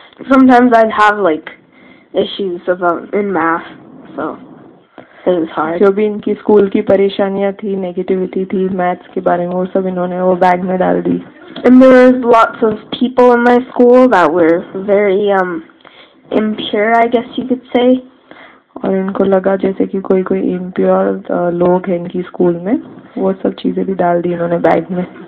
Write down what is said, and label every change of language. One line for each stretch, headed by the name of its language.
English: sometimes I'd have, like, issues about in math, so it was hard.
Hindi: जो भी इनकी school की परेशानियाँ थी, negativity थी, maths के बारे में, वो सब इन्होंने वो bag में डाल दी.
English: And there was lots of people in my school that were very, impure, I guess you could say.
Hindi: और इनको लगा जैसे कि कोई कोई इम्प्योर लोग हैं इनकी स्कूल में, वो सब चीजें भी डाल दी इन्होंने बैग में.